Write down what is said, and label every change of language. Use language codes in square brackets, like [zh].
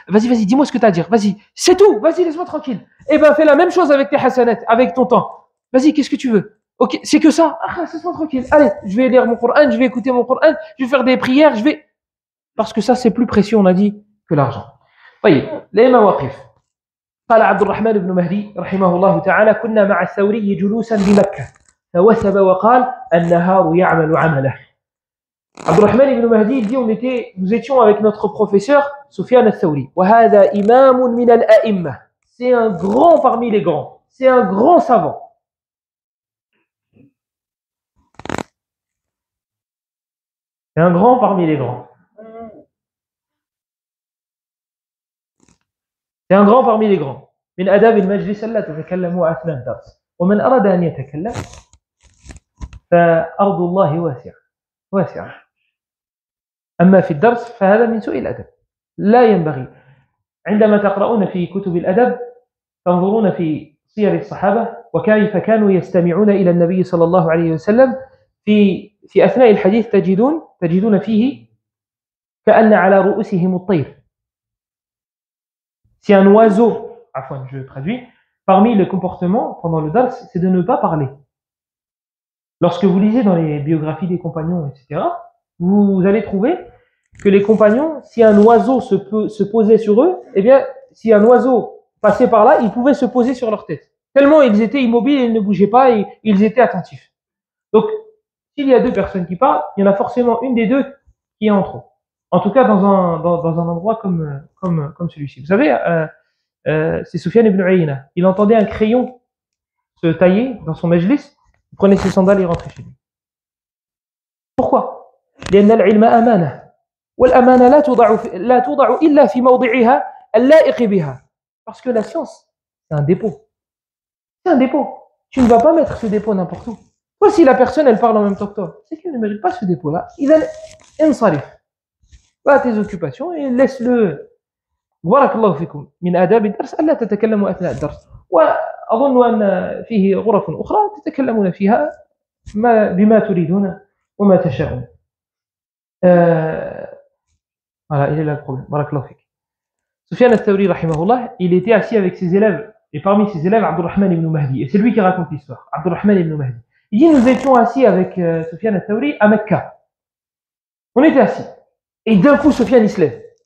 [fr] Vas-y, vas-y, dis-moi ce que tu as à dire. Vas-y, c'est tout. Vas-y, laisse-moi tranquille. Eh bien, fais la même chose avec tes hassanettes, avec ton temps. Vas-y, qu'est-ce que tu veux? Ok, c'est que ça. Ah, laisse-moi tranquille. Allez, je vais lire mon Coran, je vais écouter mon Coran, je vais faire des prières, je vais. Parce que ça, c'est plus précieux, on a dit, que l'argent. Voyez, les mawaqif. [ar] قال عبد الرحمن بن مهدي رحمه الله تعالى كنا مع الثوري جلوسا بمكة فوثب وقال النهار يعمل عمله. [fr] عبد الرحمن بن مهدي dit on était, nous étions avec notre professeur Soufiane al-Thawri. [ar] وهذا إمام من الأئمة. [fr] C'est un grand parmi les grands. C'est un grand savant. C'est un grand parmi les grands. C'est un grand parmi les grands. [ar] من آداب المجلس لا تتكلم أثناء الدرس ومن أراد أن يتكلم فأرض الله واسعة واسعة أما في الدرس فهذا من سوء الأدب لا ينبغي عندما تقرؤون في كتب الأدب تنظرون في سير الصحابة وكيف كانوا يستمعون إلى النبي صلى الله عليه وسلم في أثناء الحديث تجدون فيه كأن على رؤوسهم الطير [fr] سي أن وازو. Afin, je traduis, parmi les comportements pendant le dars, c'est de ne pas parler. Lorsque vous lisez dans les biographies des compagnons, etc., vous allez trouver que les compagnons, si un oiseau se posait sur eux, eh bien, si un oiseau passait par là, il pouvait se poser sur leur tête. Tellement ils étaient immobiles, ils ne bougeaient pas et ils étaient attentifs. Donc, s'il y a deux personnes qui parlent, il y en a forcément une des deux qui est entre eux. En tout cas, dans un endroit comme celui-ci. Vous savez, c'est Soufiane ibn Uyayna. Il entendait un crayon se tailler dans son majlis, il prenait ses sandales et rentrait chez lui. Pourquoi ? [ar] لأن العلم أمانة والأمانة لا توضع إلا في موضعها اللائق بها. [fr] Parce que la science, c'est un dépôt. C'est un dépôt. Tu ne vas pas mettre ce dépôt n'importe où. Voici la personne, elle parle en même temps que toi. C'est qu'elle ne mérite pas ce dépôt-là. [ar] إذا انصرف. [fr] Va à tes occupations et laisse-le. [ar] بارك الله فيكم من آداب الدرس ألا تتكلموا أثناء الدرس وأظن أن فيه غرف أخرى تتكلمون فيها ما بما تريدون وما تشاءون. [fr] Voilà, il est là le problème. [ar] بارك الله فيك. سفيان الثوري رحمه الله. [fr] Il était assis avec ses élèves et parmi ses élèves عبد الرحمن بن مهدي. Et c'est lui qui raconte l'histoire. [ar] عبد الرحمن بن مهدي. [fr] Il dit nous étions assis avec سفيان الثوري à Mecca. On était assis et d'un coup سفيان il se lève.